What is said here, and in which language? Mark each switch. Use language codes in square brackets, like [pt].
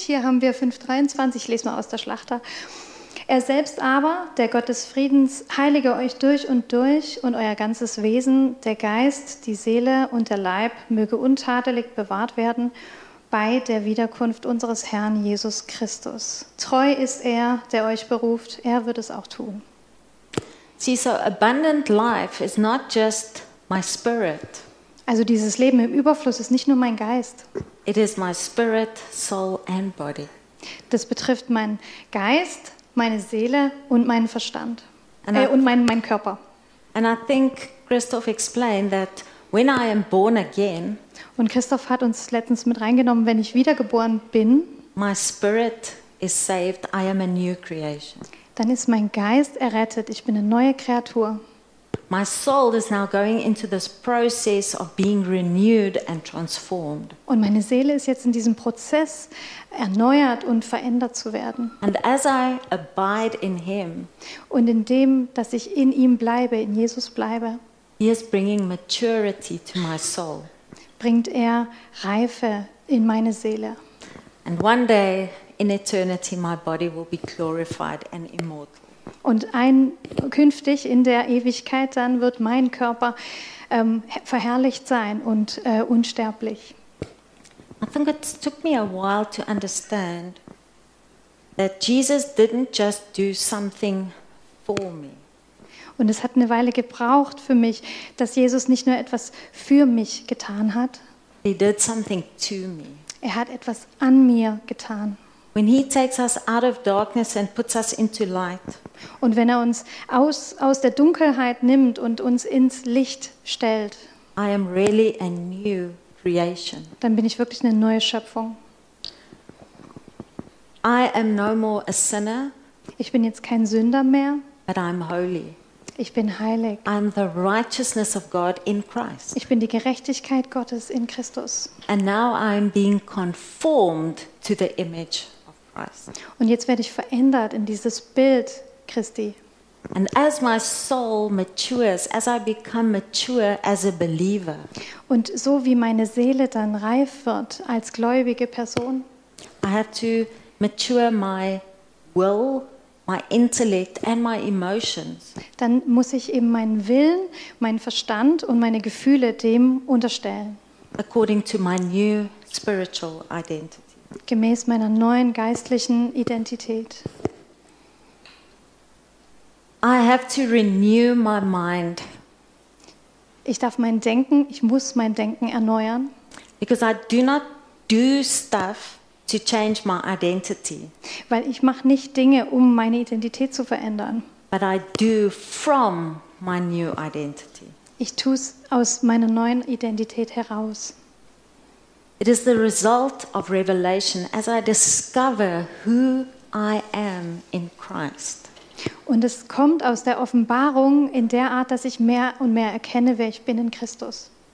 [de] Hier haben wir 5, 23. Ich lese mal aus der Schlachter. Er selbst aber, der Gott des Friedens, heilige euch durch und euer ganzes Wesen, der Geist, die Seele und der Leib, möge untadelig bewahrt werden bei der Wiederkunft unseres Herrn Jesus Christus. Treu ist er, der euch beruft, er wird es auch tun. [en] See, so abundant life is not just my spirit. [de] Also dieses Leben im Überfluss ist nicht nur mein Geist. [en] It is my spirit, soul and body. [de] Das betrifft meinen Geist, meine Seele und meinen Verstand und meinen Körper. [en] And I think Christoph explained that when I am born again. [de] Und Christoph hat uns letztens mit reingenommen, wenn ich wiedergeboren bin. [en] My spirit is saved. I am a new creation. [de] Dann ist mein Geist errettet. Ich bin eine neue Kreatur. [en] My soul is now going into this process of being renewed and transformed. [de] Und meine Seele ist jetzt in diesem Prozess erneuert und verändert zu werden. [en] And as I abide in him. [de] Und indem dass ich in ihm bleibe, in Jesus bleibe. [en] He is bringing maturity to my soul. [de] Bringt er Reife in meine Seele. [en] And one day in eternity my body will be glorified and immortal. [de] Und künftig in der Ewigkeit dann wird mein Körper verherrlicht sein und unsterblich. [en] I think it took me a while to understand that Jesus didn't just do something for me. [de] Und es hat eine Weile gebraucht für mich, dass Jesus nicht nur etwas für mich getan hat. [en] He did something to me. [de] Er hat etwas an mir getan. [en] When he takes us out of darkness and puts us into light. [de] Und wenn er uns aus der Dunkelheit nimmt und uns ins Licht stellt. [en] I am really a new creation. [de] Dann bin ich wirklich eine neue Schöpfung. [en] I am no more a sinner. [de] Ich bin jetzt kein Sünder mehr. [en] But I'm holy. [de] Ich bin heilig. [en] I'm the righteousness of God in Christ. [de] Ich bin die Gerechtigkeit Gottes in Christus. [en] And now I'm being conformed to the image of Christ. [de] Und jetzt werde ich verändert in dieses Bild Christi. [en] And as my soul matures, as I become mature as a believer. [de] Und so wie meine Seele dann reif wird als gläubige Person. [en] I have to mature my will. My intellect and my emotions. [de] Dann muss ich eben meinen Willen, meinen Verstand und meine Gefühle dem unterstellen. [en] According to my new spiritual identity. [de] Gemäß meiner neuen geistlichen Identität. [en] I have to renew my mind. [de] Ich darf mein Denken, ich muss mein Denken erneuern. [en] Because I do not do stuff. To change my identity. [de] Weil ich mache nicht Dinge, um meine Identität zu verändern. [en] But I do from my new identity. [de] Ich tue es aus meiner neuen Identität heraus. [en] It is the result of revelation as I discover who I am in Christ. [de] Und es kommt aus der Offenbarung in der Art, dass ich mehr und mehr erkenne, wer ich bin in Christus.